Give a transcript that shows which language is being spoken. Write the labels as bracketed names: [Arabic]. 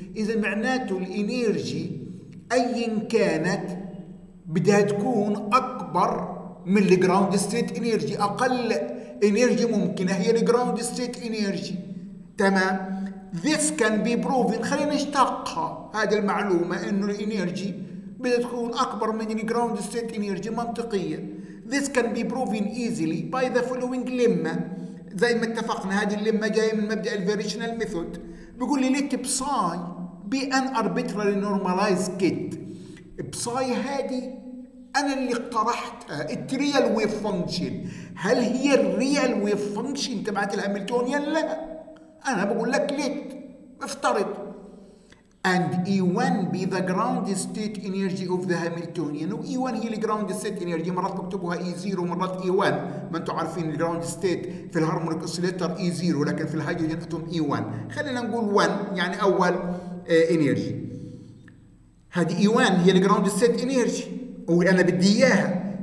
[Arabic] اذا معناته الانرجي ايا كانت بدها تكون اكبر من الground state energy، اقل انرجي ممكنه هي الground state energy. [English] تمام. This can be proven. [Arabic] خلينا نشتقها هذه المعلومة، انه الانرجي بدها تكون اكبر من الground state energy منطقيا. [English] This can be proven easily by the following lemma. [Arabic] زي ما اتفقنا هذه اللمة جاية من مبدأ الفاريشنال ميثود. بيقول لي [English] let psi be an arbitrary normalized kit. [Arabic] psi هذه أنا اللي اقترحتها، الريال ويف فانكشن. هل هي الريال ويف فانكشن تبعت الهاملتونيان؟ لا، أنا بقول لك let افترض. [English] and E1 be the ground state energy of the Hamiltonian. [Arabic] و E1 هي الground state energy، مرات بكتبها E0 مرات E1. ما انتم عارفين الground state في الهارمونيك اوسيليتر E0، لكن في الهيدروجين اتوم E1. خلينا نقول 1 يعني اول energy. هذه E1 هي الground state energy وانا بدي اياها.